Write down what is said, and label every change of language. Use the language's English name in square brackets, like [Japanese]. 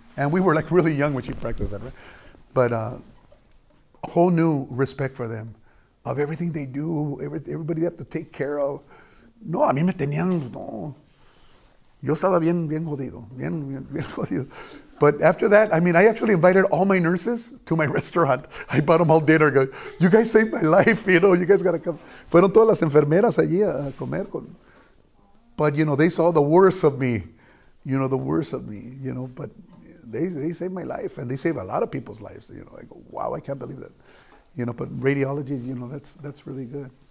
[English] And we were like really young when she practiced that, right? But a whole new respect for them, of everything they do, everybody they have to take care of. [Spanish] No, a mí me tenían, no. Yo estaba bien, bien jodido, bien, bien, bien jodido. [English] But after that, I mean, I actually invited all my nurses to my restaurant. I bought them all dinner. Go, you guys saved my life, you know. You guys got to come. [Spanish] Fueron todas las enfermeras allí a comer con. [English] But, you know, they saw the worst of me. You know, the worst of me, you know. But they saved my life. And they saved a lot of people's lives. You know, I go, wow, I can't believe that. You know, but radiology, you know, that's really good.